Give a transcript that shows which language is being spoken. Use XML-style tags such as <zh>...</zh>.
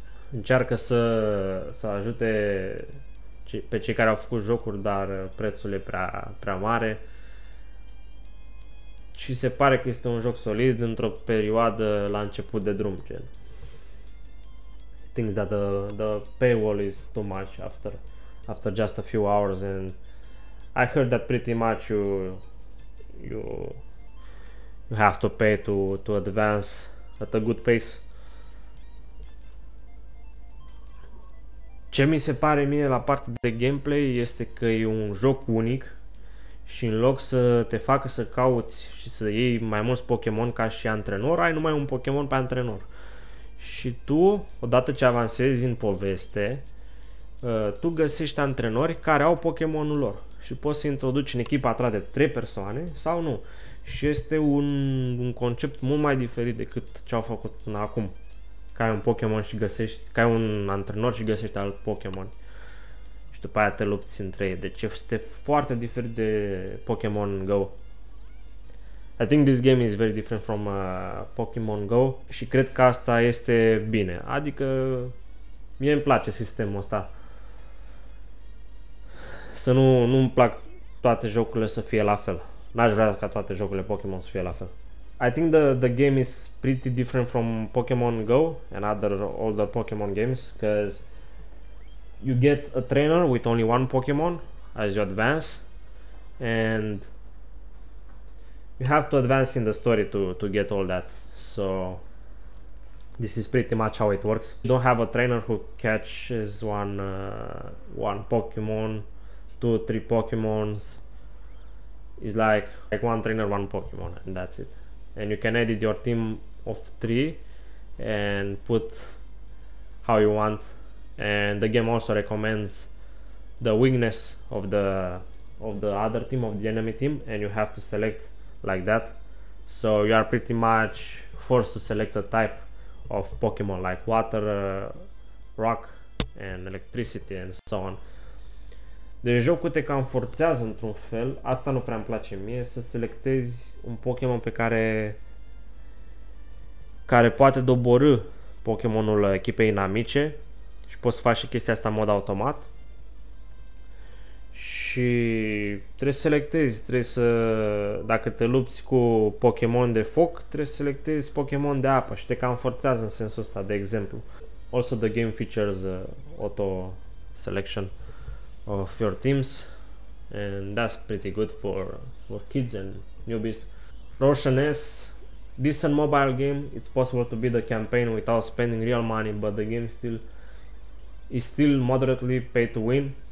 <ro>Încearcă să ajute pe cei care au făcut jocuri, dar prețul e prea, prea mare. Și se pare că este un joc solid într-o perioadă la început de drum, gen.</ro> <en>Things that the paywall is too much after just a few hours, and I heard that pretty much you have to pay to advance at a good pace.</en> <ro>Ce mi se pare mie la parte de gameplay este că e un joc unic Și în loc să te facă să cauți și să iei mai mulți Pokémon ca și antrenor, ai numai un Pokémon pe antrenor. Și tu, odată ce avansezi în poveste, tu găsești antrenori care au Pokémonul lor și poți să introduci în echipa ta de 3 persoane sau nu. Și este un concept mult mai diferit decât ce au făcut până acum. Că ai un Pokémon și găsești, că ai un antrenor și găsești alt Pokémon. Și după aia te lupți între ei. Deci este foarte diferit de Pokémon Go.</ro> <en>I think this game is very different from Pokémon Go</en> <ro>și cred că asta este bine. Adică mie îmi place sistemul ăsta. Să nu-mi plac toate jocurile să fie la fel. N-aș vrea ca toate jocurile Pokémon să fie la fel.</ro> <en>I think the game is pretty different from Pokémon Go and other older Pokémon games, because you get a trainer with only one Pokémon as you advance, and you have to advance in the story to get all that. So this is pretty much how it works. You don't have a trainer who catches one Pokémon, two, three Pokémons. It's like one trainer, one Pokémon, and that's it. And you can edit your team of three and put how you want. And the game also recommends the weakness of the other team, of the enemy team, and you have to select like that. So you are pretty much forced to select a type of Pokémon like water, rock and electricity and so on.</en> <ro>Deci jocul te cam forțează într-un fel, asta nu prea îmi place mie, să selectezi un Pokémon pe care poate doborâ Pokémonul echipei inamice și poți să faci și chestia asta în mod automat. Și trebuie să selectezi, trebuie să, dacă te lupți cu Pokémon de foc, trebuie să selectezi Pokémon de apă și te cam forțează în sensul ăsta, de exemplu.</ro> <en>Also the game features auto selection of your teams, and that's pretty good for kids and newbies. Roshan's decent mobile game. It's possible to beat the campaign without spending real money, but the game is still moderately pay to win.</en>